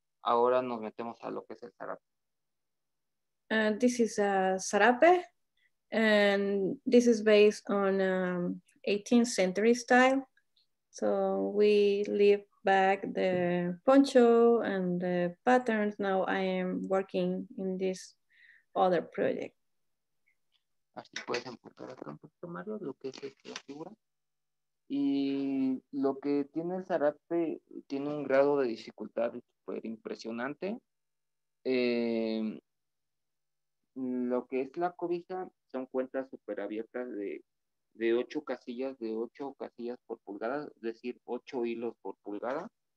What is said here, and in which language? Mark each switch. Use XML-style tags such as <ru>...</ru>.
<es>Ahora nos metemos a lo que es el zarape.</es> <en>This is a zarape, and this is based on 18th century style. So we leave back the poncho and the patterns. Now I am working in this other project.</en> <es>Así puedes empujar acá un poquito más lo que es esta figura. Y lo que tiene el zarape tiene un grado de dificultad súper impresionante. Lo que es la cobija son cuentas súper abiertas de 8 casillas, de 8 casillas por pulgada, es decir, 8 hilos por pulgada.</es>